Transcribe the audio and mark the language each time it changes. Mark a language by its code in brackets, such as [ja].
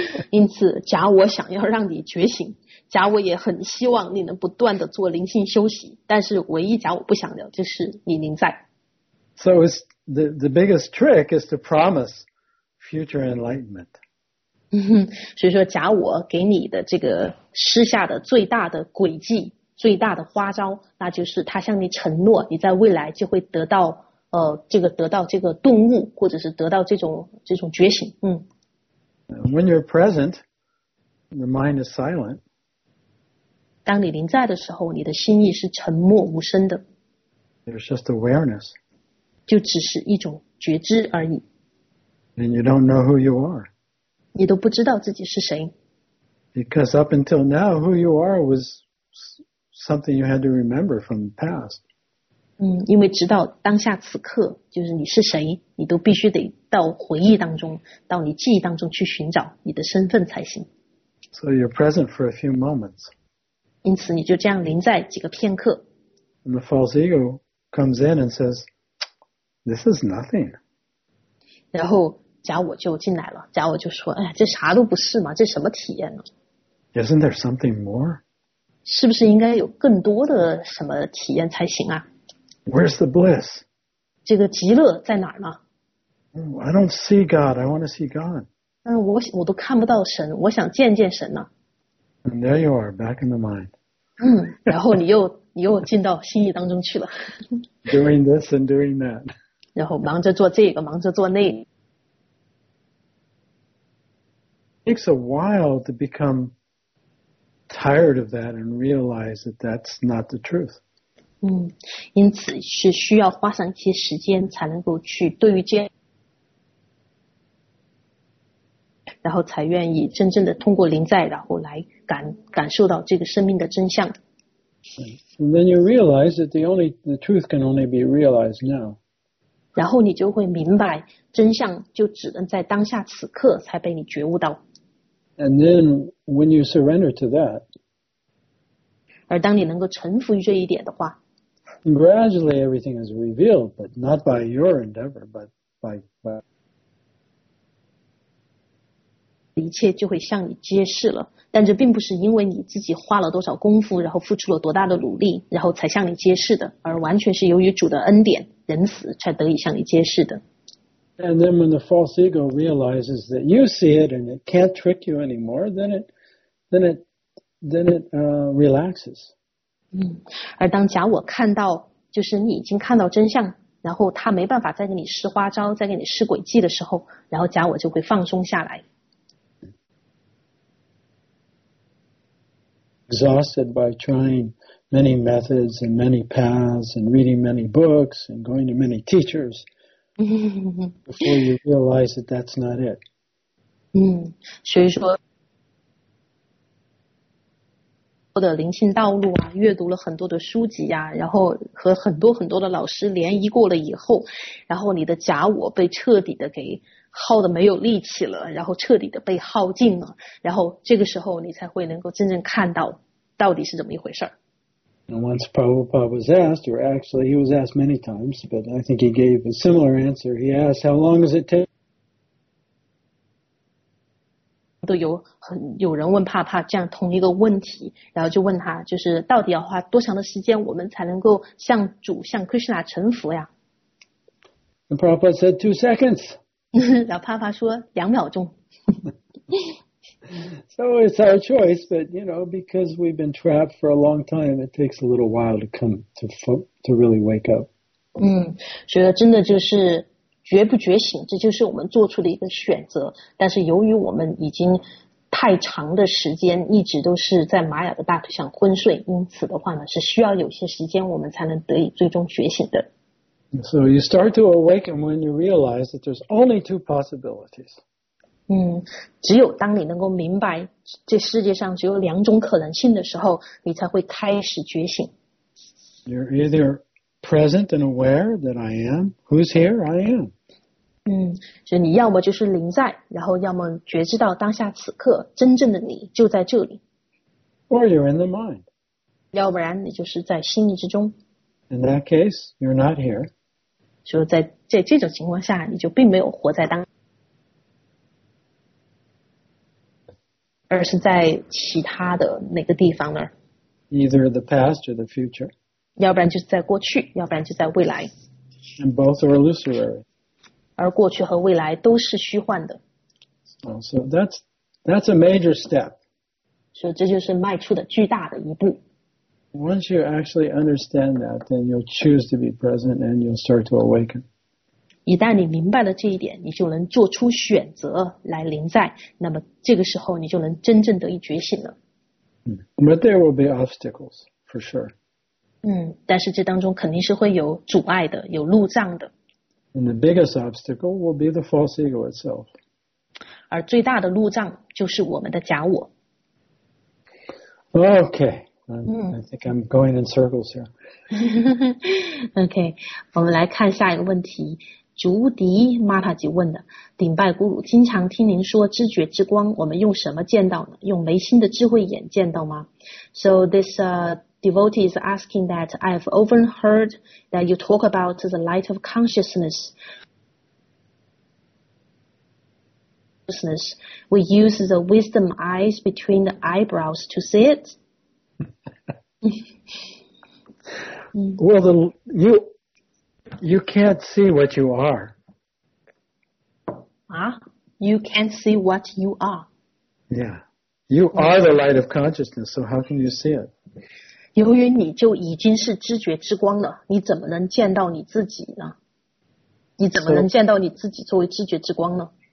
[zh] 因此假我想要让你觉醒，假我也很希望你能不断的做灵性休息，但是唯一假我不想的就是你临在。 [en] So it's the biggest trick is to promise future enlightenment. [zh] 所以说假我给你的这个施下的最大的诡计，最大的花招，那就是他向你承诺你在未来就会得到这个顿悟，或者是得到这种觉醒。嗯。 [en] When you're present, the mind is silent. [zh] 当你临在的时候，你的心意是沉默无声的。 [en] There's just awareness. [zh] 就只是一种觉知而已。 [en] And you don't know who you are. [zh] 你都不知道自己是谁。 [en] Because up until now, who you are was something you had to remember from the past. [zh] 嗯，因为直到当下此刻，就是你是谁，你都必须得到回忆当中，到你记忆当中去寻找你的身份才行。 [en] So you're present for a few moments. [zh] 因此你就这样临在几个片刻。 [en] And the false ego comes in and says, "This is nothing." [zh] 然后假我就进来了，假我就说，哎，这啥都不是嘛，这什么体验呢？ [en] Isn't there something more? [zh] 是不是应该有更多的什么体验才行啊？ [en] Where's the bliss? [zh] 这个极乐在哪儿呢？ [en] I don't see God. I want to see God. [zh] 我都看不到神，我想见见神呢。 [en] And there you are, back in the mind. [zh] 嗯，然后你又进到心意当中去了。 [en] Doing this and doing that. [zh] 然后忙着做这个，忙着做那个。 [en] It takes a while to become tired of that and realize that that's not the truth. [zh] 嗯，因此是需要花上一些时间才能够去对于这样，然后才愿意真正的通过临在，然后来感受到这个生命的真相。 [en] And then you realize that the truth can only be realized now. [zh] 然后你就会明白，真相就只能在当下此刻才被你觉悟到。 [en] And then when you surrender to that, [zh] 而当你能够臣服于这一点的话， [en] gradually everything is revealed, but not by your endeavor, but by [zh] 一切就会向你揭示了。但这并不是因为你自己花了多少功夫，然后付出了多大的努力，然后才向你揭示的，而完全是由于主的恩典、仁慈才得以向你揭示的。 [en] And then when the false ego realizes that you see it and it can't trick you anymore, then it relaxes. [zh] 嗯，而当假我看到，就是你已经看到真相，然后他没办法再给你施花招，再给你施诡计的时候，然后假我就会放松下来。 [en] Exhausted by trying many methods and many paths and reading many books and going to many teachers. Before you realize that that's not it. [zh] 嗯，所以说，我的灵性道路啊，阅读了很多的书籍呀、啊，然后和很多很多的老师联谊过了以后，然后你的假我被彻底的给耗的没有力气了，然后彻底的被耗尽了，然后这个时候你才会能够真正看到到底是怎么一回事儿。 [en] And once Prabhupada was asked, or actually he was asked many times, but I think he gave a similar answer. He asked, how long does it take? [zh] 有人问帕帕这样同一个问题，然后就问他，就是到底要花多长的时间我们才能够向主，向 Krishna 臣服呀？ [en] And Prabhupada said, 2 seconds. [zh] 然后帕帕说，2秒钟。 [en] So it's our choice, but you know, because we've been trapped for a long time, it takes a little while to come to really wake up. [zh] 嗯，所以真的就是觉不觉醒，这就是我们做出的一个选择。但是由于我们已经太长的时间一直都是在玛雅的大腿上昏睡，因此的话呢，是需要有些时间我们才能得以最终觉醒的。 [en] So you start to awaken when you realize that there's only 2 possibilities. [zh] 嗯，只有当你能够明白这世界上只有2种可能性的时候，你才会开始觉醒。 [en] You're either present and aware that I am. Who's here? I am. [zh] 嗯，所以你要么就是临在，然后要么觉知到当下此刻真正的你就在这里。 [en] Or you're in the mind. [zh] 要不然你就是在心意之中。 [en] In that case, you're not here. [zh] 所以在这种情况下，你就并没有活在当。而是在其他的哪个地方呢？ [en] Either the past or the future. [zh] 要不然就是在过去，要不然就在未来。 [en] And both are illusory. [zh] 而过去和未来都是虚幻的。 [en] So that's a major step. [zh] 所以这就是迈出的巨大的一步。 [en] Once you actually understand that, then you'll choose to be present and you'll start to awaken. [zh] 一旦你明白了这一点，你就能做出选择来临在，那么这个时候你就能真正得以觉醒了。 [en] But there will be obstacles, for sure. [zh] 嗯，但是这当中肯定是会有阻碍的，有路障的。 [en] And the biggest obstacle will be the false ego itself. [zh] 而最大的路障就是我们的假我。 [en] Okay, I think I'm going in circles here. [zh] Okay, 我们来看下一个问题。竹笛 Mataji 问的，顶拜咕噜，经常听您说知觉之光，我们用什么见到呢？用眉心的智慧眼见到吗？ [en] So this devotee is asking that I've often heard that you talk about the light of consciousness. Consciousness. We use the wisdom eyes between the eyebrows to see it. Well, you can't see what you are. You can't see what you are. Yeah. You are the light of consciousness, so how can you see it? [zh] 由于你就已经是知觉之光了，你怎么能见到你自己呢？你怎么能见到你自己作为知觉之光呢？